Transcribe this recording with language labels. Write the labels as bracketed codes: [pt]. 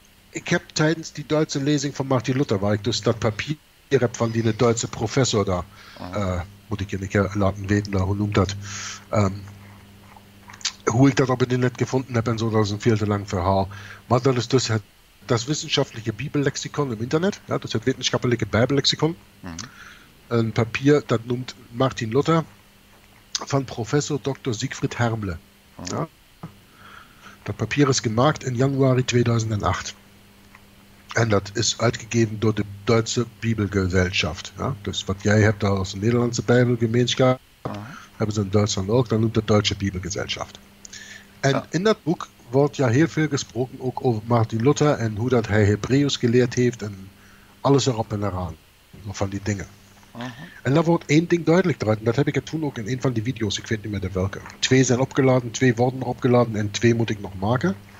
[nl] Ik heb tijdens die Duitse lezing van Martin Luther, waar ik dus dat papier heb van die Duitse professor daar, moet ik je een keer laten weten, hoe noemt dat, hoe ik dat op het internet gevonden heb en zo, dat is een veel te lang verhaal. Maar dat is dus [de] das wissenschaftliche Bibellexikon im Internet, ja, das ist wissenschaftliche Bibellexikon, ein Papier, das nennt Martin Luther von Professor Dr. Siegfried Hermle. Mhm. Ja. Das Papier ist gemacht im Januar 2008 und das ist ausgegeben durch die Deutsche Bibelgesellschaft. Ja. Das, was ihr habt da aus der Niederlandse Bibelgemeinschaft, haben sie in Deutschland auch, dann nennt das Deutsche Bibelgesellschaft. [nl] Und ja. [de] In das Buch [nl] wordt ja heel veel gesproken ook over Martin Luther en hoe dat hij Hebreeuws geleerd heeft en alles erop en eraan. Van die dingen. Uh-huh. En daar wordt één ding duidelijk eruit. En dat heb ik toen ook in een van die video's, ik weet niet meer de welke. Twee zijn opgeladen, twee worden opgeladen en twee moet ik nog maken.